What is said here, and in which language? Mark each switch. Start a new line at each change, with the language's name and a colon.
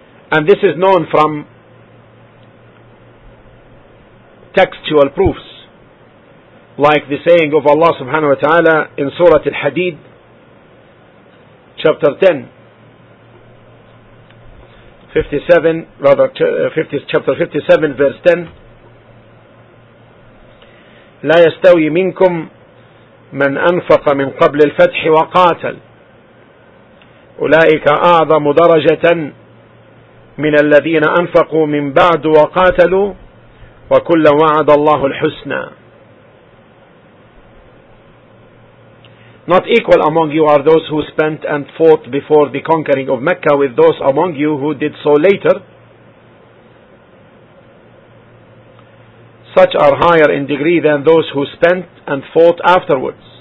English: And this is known from textual proofs, like the saying of Allah subhanahu wa ta'ala in Surah Al-Hadid, chapter 10, 57, rather, 50, chapter 57, verse 10.
Arabic: لا يستوي منكم من أنفق من قبل الفتح وقاتل أولئك أعظم درجة من الذين أنفقوا من بعد وقاتلوا وكل وعد الله الحسنى.
English: Not equal among you are those who spent and fought before the conquering of Mecca with those among you who did so later. Such are higher in degree than those who spent and fought afterwards.